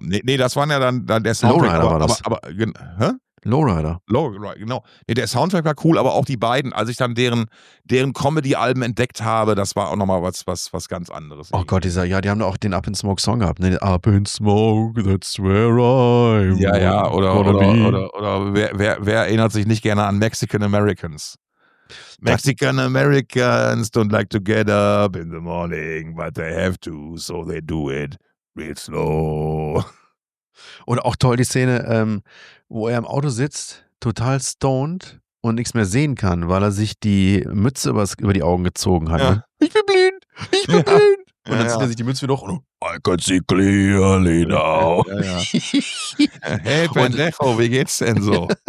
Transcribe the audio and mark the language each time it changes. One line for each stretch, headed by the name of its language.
German: Nee, das waren ja dann der Soundtrack. Lowrider war das. Lowrider. Lowrider, genau. Nee, der Soundtrack war cool, aber auch die beiden, als ich dann deren Comedy-Alben entdeckt habe, das war auch nochmal was ganz anderes. Oh Gott, die haben auch den Up in Smoke Song gehabt. Ne?
English: Up in Smoke, that's where I'm.
German: Ja, ja, oder wer erinnert sich nicht gerne an Mexican Americans?
English: Mexican Americans don't like to get up in the morning, but they have to, so they do it real slow.
German: Oder auch toll die Szene, wo er im Auto sitzt, total stoned und nichts mehr sehen kann, weil er sich die Mütze über die Augen gezogen hat. Ja. Ich bin blind. Ja. Und dann zieht er sich die Mütze wieder hoch.
English: I can see clearly now.
German: Ja, ja. Hey, Pendejo, wie geht's denn so?